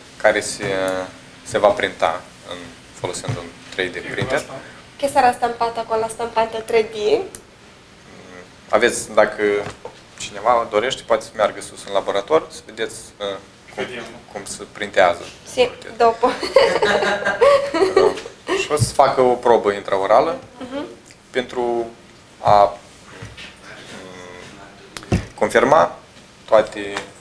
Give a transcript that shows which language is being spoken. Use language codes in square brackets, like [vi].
[ro] Care se va printa în, folosind un 3D printer. [it] Che sarà stampata con la stampante 3D. [ro] Aveți, dacă cineva dorește, poate să meargă sus în laborator, să vedeți cum se printează. Si, după. Și o să facă o probă intraorală pentru a confirma toate...